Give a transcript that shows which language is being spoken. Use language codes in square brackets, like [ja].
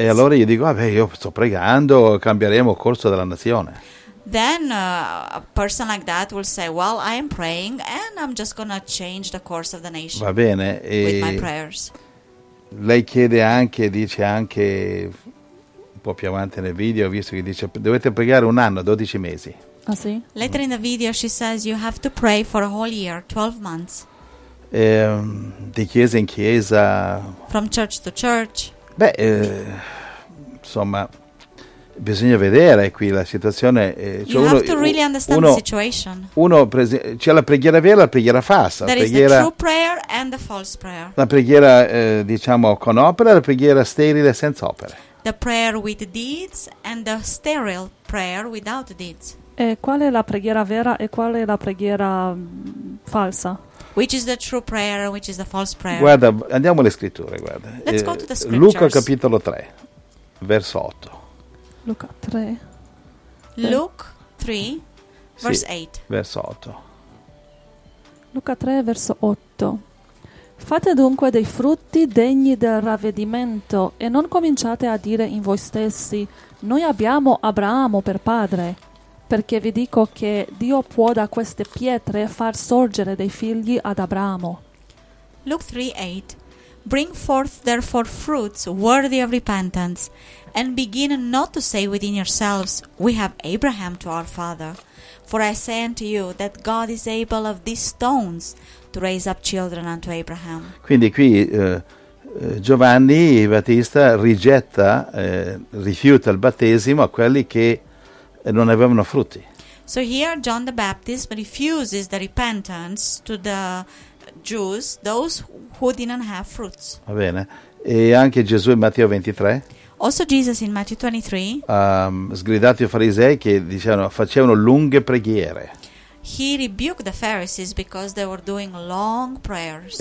[it] E allora io dico, vabbè, io sto pregando, cambieremo il corso della nazione. [en] Then a person like that will say, well, I am praying and I'm just gonna change the course of the nation. [it] Va bene. E [en] with my prayers. [it] Lei chiede anche, dice anche, un po' più avanti nel video, visto che dice, dovete pregare un anno, 12 mesi. Ah, sì? [en] Later in the video she says you have to pray for a whole year, 12 months. [it] Di chiesa in chiesa. [en] From church to church. [it] Beh, insomma, bisogna vedere qui la situazione. [en] Cioè you have to really understand [it] uno, [en] the situation. [it] C'è la preghiera vera e la preghiera falsa. [en] There [it] preghiera, [en] is the true prayer and the false prayer. [it] La preghiera, diciamo, con opera e la preghiera sterile senza opere. [en] The prayer with deeds and the sterile prayer without deeds. [it] E qual è la preghiera vera e qual è la preghiera falsa? [en] Which is the true prayer and which is the false prayer? [it] Guarda, andiamo alle scritture, guarda. [en] Let's go to the scriptures. [it] Luca capitolo 3, verso 8. Luca 3. [en] Luke 3, verse 8. [it] Sì, verso 8. Luca 3, verso 8. Fate dunque dei frutti degni del ravvedimento e non cominciate a dire in voi stessi, noi abbiamo Abramo per padre. Perché vi dico che Dio può da queste pietre far sorgere dei figli ad Abramo. [en] Luke 3:8. Bring forth therefore fruits worthy of repentance, and begin not to say within yourselves, we have Abraham to our father. For I say unto you that God is able of these stones to raise up children unto Abraham. [it] Quindi qui Giovanni Battista rifiuta il battesimo a quelli che e non avevano frutti. [en] So here John the Baptist refuses the repentance to the Jews, those who didn't have fruits. [it] Va bene. E anche Gesù in Matteo 23. [en] Also Jesus in Matthew 23. [it] Sgridato i farisei che dicevano facevano lunghe preghiere. [en] He rebuked the Pharisees because they were doing long prayers.